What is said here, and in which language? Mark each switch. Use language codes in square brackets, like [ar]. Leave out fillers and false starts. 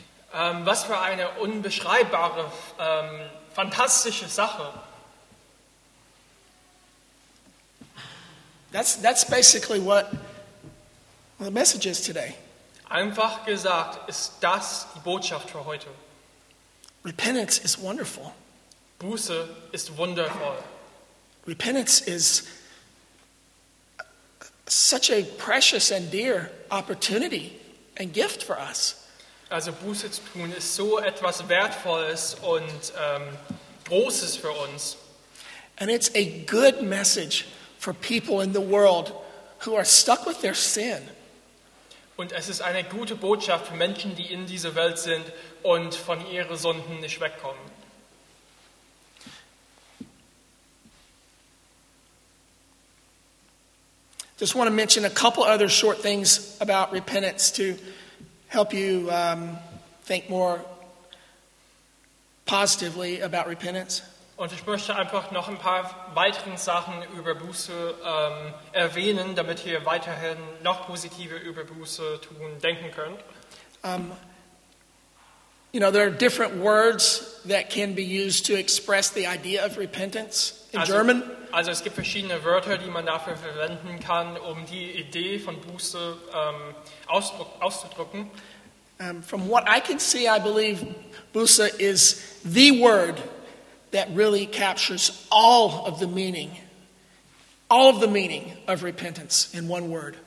[de] Was für eine unbeschreibbare, fantastische Sache. [en] That's basically what the message is today. [de] Einfach gesagt, ist das die Botschaft für heute. [en] Repentance is wonderful. [de] Buße ist wundervoll. [en] Repentance is such a precious and dear opportunity and gift for us. [de] Also Buße zu tun ist so etwas Wertvolles und Großes für uns. [en] And it's a good message for people in the world who are stuck with their sin. [de] Und es ist eine gute Botschaft für Menschen, die in dieser Welt sind und von ihren Sünden nicht wegkommen. [en] Just want to mention a couple other short things about repentance to help you think more positively about repentance. [de] Und ich möchte einfach noch ein paar weiteren Sachen über Buße erwähnen, damit ihr weiterhin noch positiver über Buße tun denken könnt. [en] You know, there are different words that can be used to express the idea of repentance in German. [de] Also es gibt verschiedene Wörter, die man dafür verwenden kann, um die Idee von Buße auszudrücken. [en] From what I can see, I believe Buße is the word that really captures all of the meaning of repentance in one word.